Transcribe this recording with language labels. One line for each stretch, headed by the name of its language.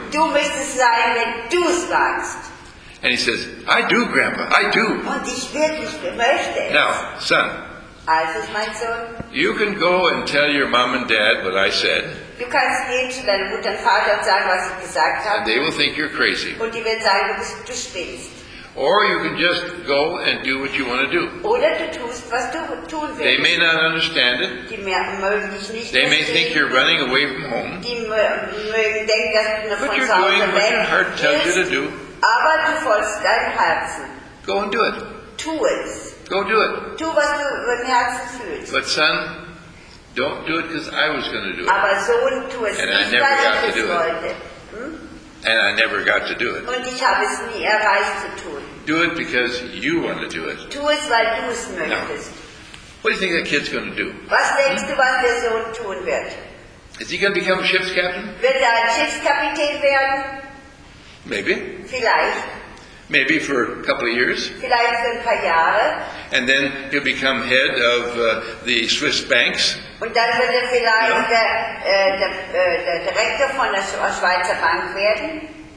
German: Du willst es sein, wenn du es magst.
English: And he says, I do, Grandpa, I do.
German: Und ich wirklich möchte es.
English: Now, son.
German: Also, mein Sohn,
English: you can go and tell your mom and dad what I said.
German: Du kannst gehen zu deinem Mutter und Vater und sagen, was ich gesagt habe.
English: And they will think you're crazy.
German: Und die werden sagen, du spinnst.
English: Or you can just go and do what you want to do.
German: Oder du tust, was du tun willst.
English: They may not understand it.
German: Die mögen dich nicht.
English: They may think you're running away from home.
German: Die mögen denken, dass du von zu Hause weg.
English: What your heart tells you to do.
German: Aber du folgst deinem Herzen.
English: Go and do it.
German: Tu es.
English: Go do it.
German: Tu, was du im Herzen fühlst.
English: But son, don't do it because I was going to do it.
German: Aber Sohn, tu es.
English: And
German: nicht,
English: I never got to do
German: wollte.
English: It. And I never got to do it.
German: Und ich habe es nie erreicht zu tun.
English: Do it because you want to do it.
German: Tu es, weil du es möchtest.
English: Now, what do you think that kid's going to do?
German: Was denkst du, was der Sohn tun wird?
English: Is he going to become a ship's captain?
German: Wird er ein Schiffskapitän werden?
English: Maybe.
German: Vielleicht.
English: Maybe for a couple of years.
German: Vielleicht für ein paar Jahre.
English: And then he'll become head of the Swiss banks.
German: Und dann wird er vielleicht der Direktor von der Schweizer Bank werden.